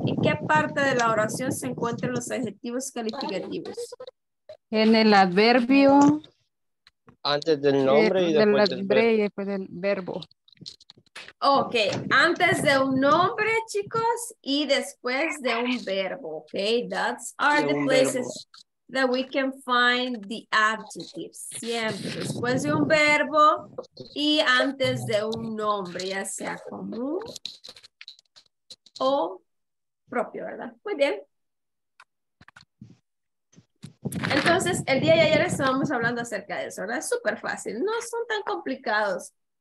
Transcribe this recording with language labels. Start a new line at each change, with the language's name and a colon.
Spanish: ¿En qué parte de la oración se encuentran los adjetivos calificativos? En el adverbio. Antes del nombre y después del verbo. Y después del verbo. Ok, antes de un nombre, chicos, y después de un verbo.
English: Ok, that's are the places verbo that we can find the adjectives.
Spanish: Siempre después de un verbo y antes de un nombre, ya sea común o propio, ¿verdad? Muy bien. Entonces, el día de ayer estábamos hablando acerca de eso, ¿verdad? Es súper fácil, no son tan complicados.